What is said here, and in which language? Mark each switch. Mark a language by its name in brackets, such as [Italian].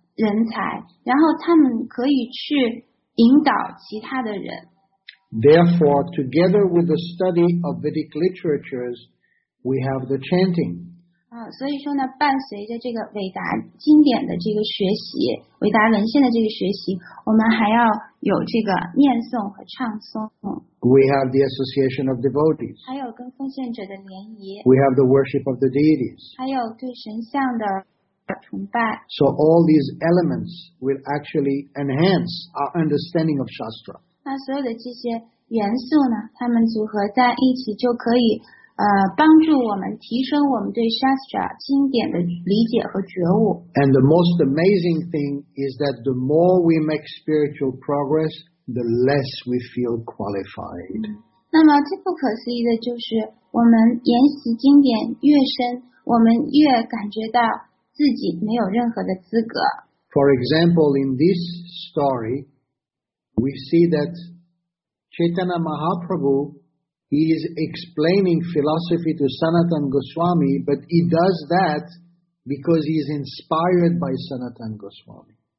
[Chinese] 人才，然后他们可以去引导其他的人。 [English] Therefore, together with the study of Vedic literatures, we have the chanting. [Chinese] 所以说呢，伴随着这个伟达经典的这个学习，伟达文献的这个学习，我们还要有这个念诵和唱诵。 [English] We have the association of devotees. [Chinese] 还有跟奉献者的联谊。 [English] We have the worship of the deities. [Chinese] 还有对神像的。 [English] So all these elements will actually enhance our understanding of Shastra. [Chinese] 那所有的这些元素呢，它们组合在一起就可以帮助我们提升我们对 Shastra 经典的理解和觉悟。 [English] And the most amazing thing is that the more we make spiritual progress, the less we feel qualified. [Chinese] 那么最不可思议的就是我们研习经典越深，我们越感觉到自己没有任何的资格。 [English] For example, in this story, we see that Chaitanya Mahaprabhu is explaining philosophy to Sanatan Goswami, but he does that because he is inspired by Sanatan Goswami.